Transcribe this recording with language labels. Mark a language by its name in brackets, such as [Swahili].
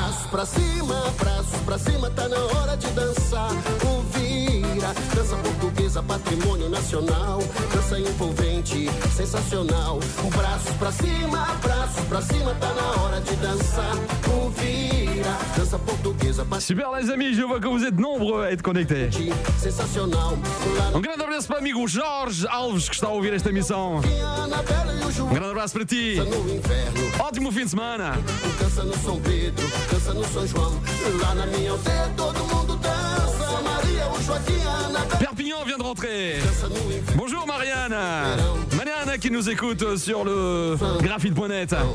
[Portuguese] Pra cima, braços pra cima, tá na hora de dançar. O vira, dança portuguesa, patrimônio nacional. Dança envolvente, sensacional. Braços pra cima, braços pra cima, tá na hora de dançar. O vira, dança portuguesa, [French] super, les amis, je vois que vous êtes nombreux à être connectés. [Portuguese] Sensacional. Um grande abraço para o amigo Jorge Alves, que está a ouvir esta emissão. Um grande abraço para ti. Ótimo fim de semana. Dança no São Pedro, dança no São João. Lá na minha aldeia todo mundo dança. Maria, o Joaquim, a Ana. [French] Perpignan vient de rentrer. Bonjour, Mariana. Mariana qui nous écoute sur le graphite.net.